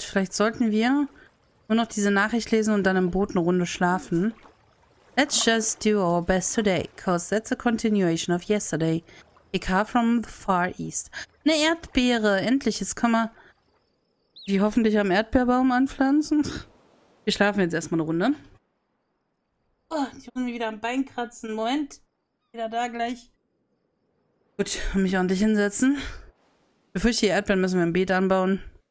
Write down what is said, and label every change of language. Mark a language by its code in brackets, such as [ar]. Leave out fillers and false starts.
[de] Vielleicht sollten wir nur noch diese Nachricht lesen und dann im Boot eine Runde schlafen. [en] Let's just do our best today, cause that's a continuation of yesterday. A car from the Far East. [de] Eine Erdbeere. Endlich. Jetzt können wir die hoffentlich am Erdbeerbaum anpflanzen. Wir schlafen jetzt erstmal eine Runde. Oh, ich muss mich wieder am Bein kratzen. Moment. Wieder da gleich. Gut, mich ordentlich hinsetzen. Bevor ich die Erdbeeren, müssen wir ein Beet anbauen.